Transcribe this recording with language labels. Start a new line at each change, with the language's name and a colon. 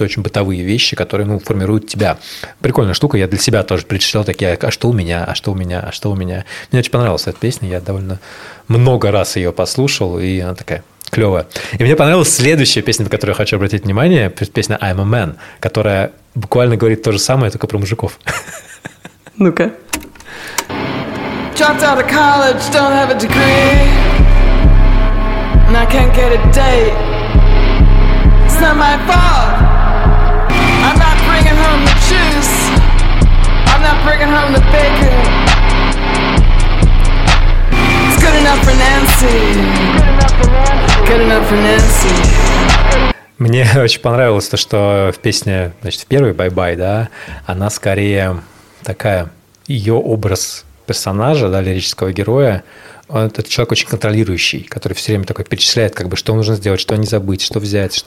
Russian: Это очень бытовые вещи, которые, ну, формируют тебя. Прикольная штука, я для себя тоже перечислял такие, а что у меня. Мне очень понравилась эта песня, я довольно много раз ее послушал, и она такая клевая. И мне понравилась следующая песня, на которую я хочу обратить внимание, песня «I'm a man», которая буквально говорит то же самое, только про мужиков. Ну-ка.
English: Dropped out of college, don't have a degree, and I can't get a date. It's not my fault. I'm not bringing home the juice. I'm not bringing home the bacon. It's good enough for Nancy. Good enough for Nancy.
Russian: Мне очень понравилось то, что в песне, значит, в первой «Bye-bye», да, она скорее такая, ее образ персонажа, да, лирического героя. Он, этот человек очень контролирующий, который все время такой перечисляет, как бы, что нужно сделать, что не забыть, что взять, что